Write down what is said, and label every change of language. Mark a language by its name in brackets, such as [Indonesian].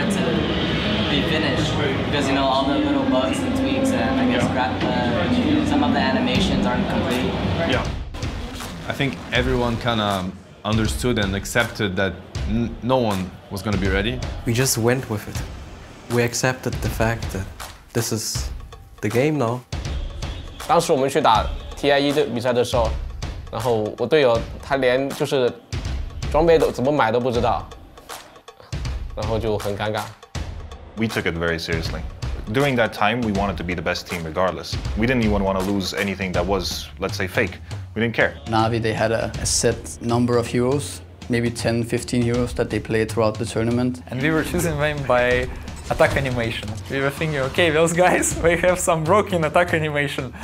[English] Because, you know, all the little bugs and tweaks and I guess some of the animations aren't complete. Yeah. I think everyone kind of understood and accepted that no one was going to be ready. We just went with it. We accepted the fact that this is the game now. [Chinese] 当时我们去打 TIE的比赛的时候, 然后我队友他连就是装备都怎么买都不知道, 然后就很尴尬。 [English] We took it very seriously. During that time, we wanted to be the best team regardless. We didn't even want to lose anything that was, let's say, fake. We didn't care. Na'Vi, they had a set number of heroes, maybe 10, 15 heroes that they played throughout the tournament. And we were choosing them by attack animation. We were thinking, okay, those guys, they have some broken attack animation.